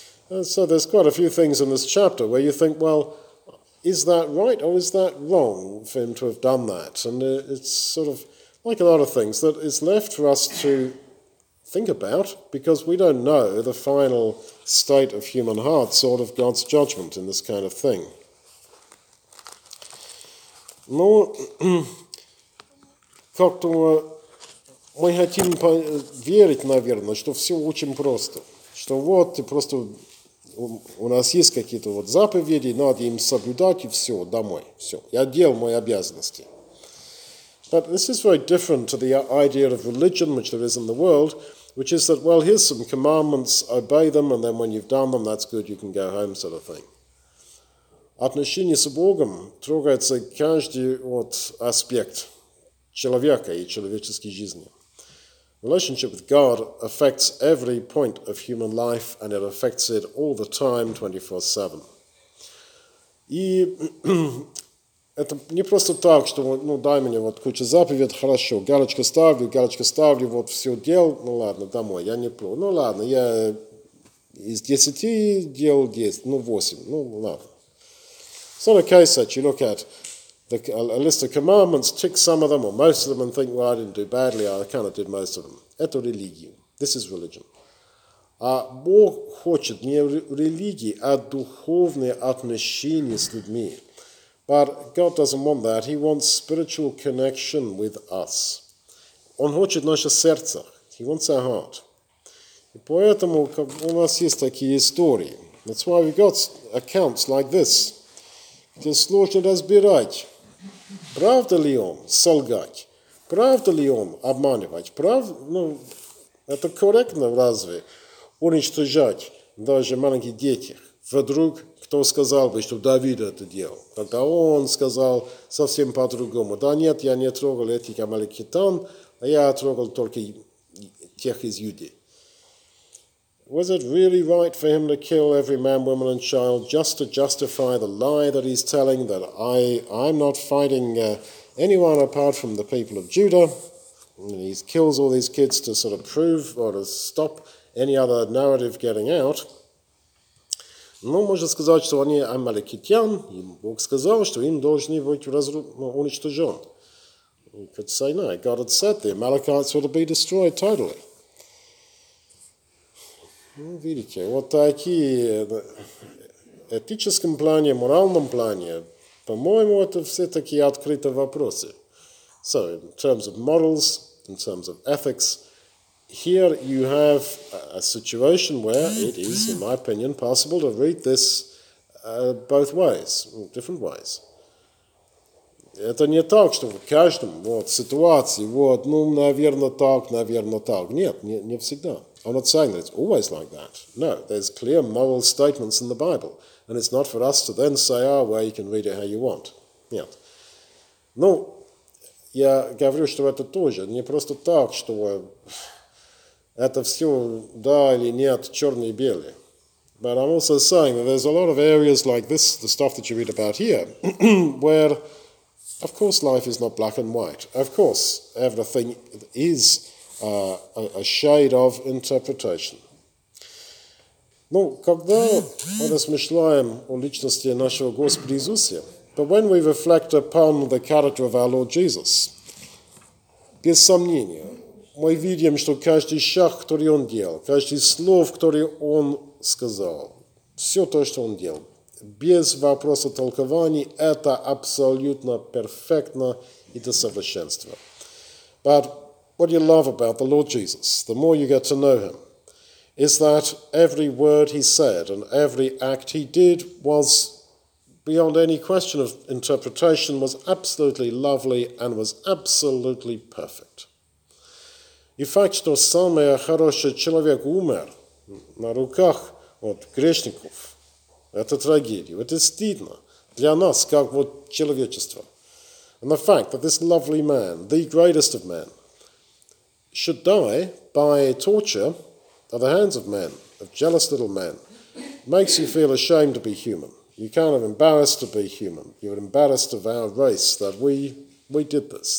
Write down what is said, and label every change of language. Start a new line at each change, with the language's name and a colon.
English: And so there's quite a few things in this chapter where you think, well, is that right or is that wrong for him to have done that? And it's sort of like a lot of things that it's left for us to think about, because we don't know the final state of human hearts, sort of God's judgment in this kind of thing.
Russian: Но как-то мы хотим верить, наверное, что все очень просто, что вот ты просто у нас есть какие-то вот заповеди, надо им соблюдать и все домой, все. Я делал мои обязанности.
English: But this is very different to the idea of religion, which there is in the world. Which is that, well, here's some commandments, obey them, and then when you've done them, that's good, you can go home, sort of thing.
Russian: Отношение с Богом трогается каждый вот аспект человека и человеческой жизни.
English: Relationship with God affects every point of human life, and it affects it all the time, 24/7.
Russian: И это не просто так, что, ну, дай мне вот куча заповедей, хорошо, галочку ставлю, вот все дел, ну ладно, домой, я не плохо, ну ладно, я из 10 дел 10, ну 8, ну ладно.
English: It's not a case that you look at a list of commandments, tick some of them or most of them and think, well, I didn't do badly, I kind of did most of them.
Russian: Это религия.
English: This is religion.
Russian: А Бог хочет не религии, а духовные отношения с людьми.
English: But God doesn't want that. He wants spiritual connection with us.
Russian: Он хочет наше сердце.
English: He wants our heart.
Russian: И поэтому у нас есть такие истории.
English: That's why we've got accounts like this.
Russian: Где сложно разбирать, правда ли он солгать, правда ли он обманывать, ну, это корректно разве уничтожать даже маленьких детей? Вдруг кто сказал бы, что Давид это делал? Тогда он сказал совсем по-другому. Да нет, я не трогал этих амаликитян, а я трогал только тех из Юды.
English: Was it really right for him to kill every man, woman and child just to justify the lie that he's telling, that I'm not fighting anyone apart from the people of Judah? And he kills all these kids to sort of prove or to stop any other narrative getting out.
Russian: Но можно сказать, что они амаликитян, и Бог сказал, что им должны быть уничтожен.
English: You could say no, God had said the Amalekites were to be destroyed totally.
Russian: Ну, видите, вот такие этическом плане, моральном плане, по-моему, это все такие открытые вопросы.
English: So in terms of morals, in terms of ethics, here you have a situation where it is, in my opinion, possible to read this both ways, different ways.
Russian: Это не так, что в каждом вот, ситуации, вот, ну, наверное, так, нет, не всегда.
English: I'm not saying that it's always like that. No, there's clear moral statements in the Bible. And it's not for us to then say, oh, well, you can read it how you want.
Russian: Нет. Ну, я говорю, что это тоже не просто так, что это все да или нет, черный и белый.
English: But I'm also saying that there's a lot of areas like this, the stuff that you read about here, where, of course, life is not black and white. Of course, everything is a shade of interpretation.
Russian: Ну, когда мы размышляем о личности нашего Господа Иисуса,
English: but when we reflect upon the character of our Lord Jesus,
Russian: без сомнения, мы видим, что каждый шаг, который Он делал, каждый слов, который Он сказал, все то, что Он делал, без вопроса толкований, это абсолютно перфектно и до совершенства.
English: But what you love about the Lord Jesus, the more you get to know Him, is that every word He said and every act He did was beyond any question of interpretation, was absolutely lovely and was absolutely perfect.
Russian: И факт, что самый хороший человек умер на руках вот, грешников, это трагедия. Это стыдно для нас, как вот человечество.
English: And the fact that this lovely man, the greatest of men, should die by torture at the hands of men, of jealous little men, makes you feel ashamed to be human. You're kind of embarrassed to be human. You're embarrassed of our race that we did this.